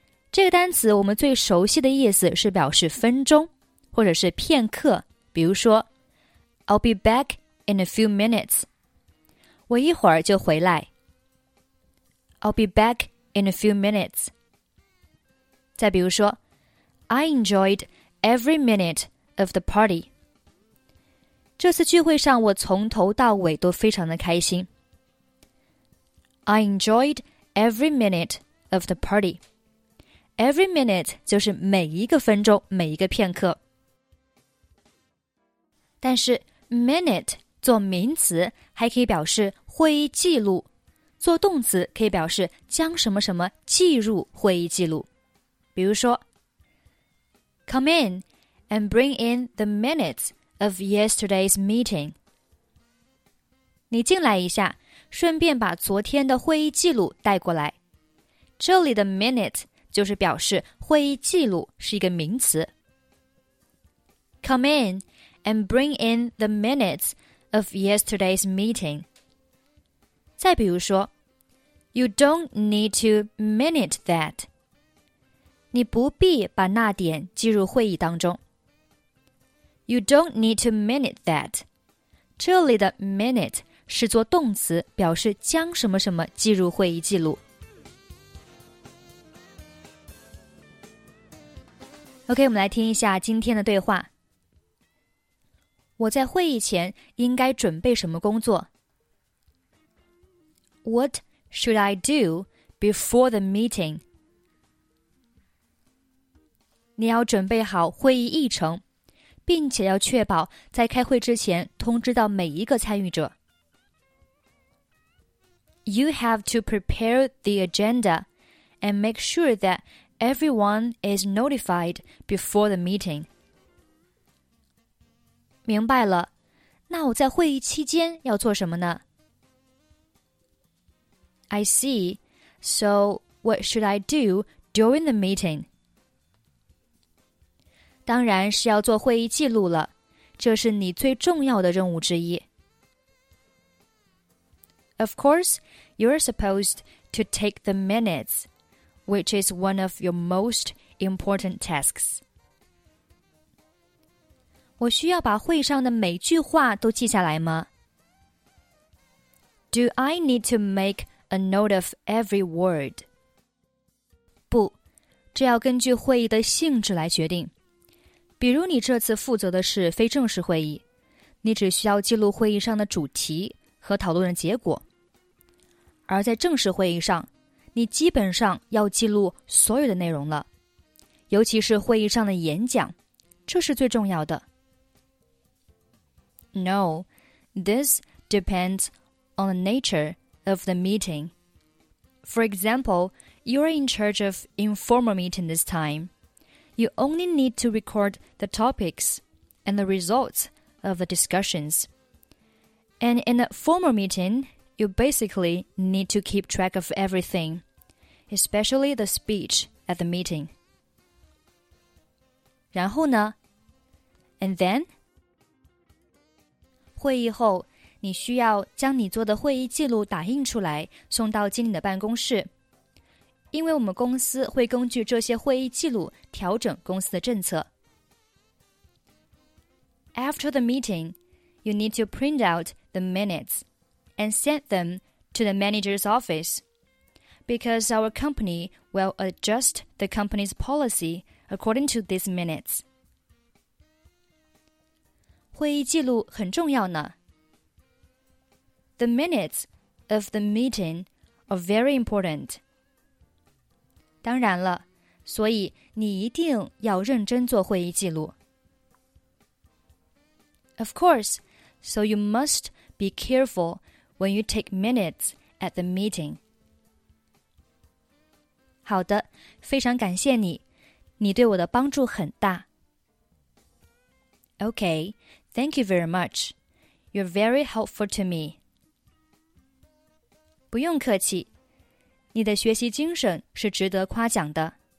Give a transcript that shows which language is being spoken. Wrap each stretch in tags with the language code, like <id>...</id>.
<zh>这个单词我们最熟悉的意思是表示分钟或者是片刻，比如说</zh> <en>I'll be back in a few minutes，</en> <zh>我一会儿就回来。</zh> <en>I'll be back in a few minutes。</en> <zh>再比如说</zh> <en>I enjoyed every minute of the party，</en> <zh>这次聚会上我从头到尾都非常的开心。</zh> <en>I enjoyed every minute of the partyEvery minute</en> <zh>就是每一个分钟，每一个片刻。但是 minute 做名词还可以表示会议记录，做动词可以表示将什么什么记入会议记录。比如说</zh> <en>Come in and bring in the minutes of yesterday's meeting.</en> <zh>你进来一下，顺便把昨天的会议记录带过来。这里的 minute就是表示会议记录是一个名词。</zh> <en>Come in and bring in the minutes of yesterday's meeting. 再</en> <zh>比如说</zh> <en>You don't need to minute that.</en> <zh>你不必把那点记入会议当中。</zh> <en>You don't need to minute that.</en> <zh>这里的 minute 是做动词，表示将什么什么记入会议记录。 OK, 我们来听一下今天的对话。我在会议前应该准备什么工作?</zh> <en>What should I do before the meeting?</en> <zh>你要准备好会议议程,并且要确保在开会之前通知到每一个参与者。</zh> <en>You have to prepare the agenda and make sure thatEveryone is notified before the meeting.</en> <zh>明白了，那我在会议期间要做什么呢?</zh> <en>I see. So, what should I do during the meeting?</en> <zh>当然是要做会议记录了，这是你最重要的任务之一。</zh> <en>Of course, you're supposed to take the minutes. Which is one of your most important tasks.</en> <zh>我需要把会上的每句话都记下来吗?</zh> <en>Do I need to make a note of every word?</en> <zh>不,这要根据会议的性质来决定。比如你这次负责的是非正式会议,你只需要记录会议上的主题和讨论的结果。而在正式会议上,你基本上要记录所有的内容了，尤其是会议上的演讲，这是最重要的。</zh> <en>No, this depends on the nature of the meeting. For example, you're in charge of informal meeting this time. You only need to record the topics and the results of the discussions. And in a formal meeting, you basically need to keep track of everything. Especially the speech at the meeting.</en> <zh>然后呢?</zh> <en>And then?</en> <zh>会议后,你需要将你做的会议记录打印出来,送到经理的办公室。因为我们公司会根据这些会议记录调整公司的政策。</zh> <en>After the meeting, you need to print out the minutes and send them to the manager's office. Because our company will adjust the company's policy according to these minutes.</en> <zh>会议记录很重要呢。</zh> <en>The minutes of the meeting are very important.</en> <zh>当然了，所以你一定要认真做会议记录。</zh> <en>Of course, so you must be careful when you take minutes at the meeting.</en> <zh>好的，非常感谢你，你对我的帮助很大。</zh> <en>Okay, thank you very much. You're very helpful to me.</en> <zh>不用客气，你的学习精神是值得夸奖的。</zh>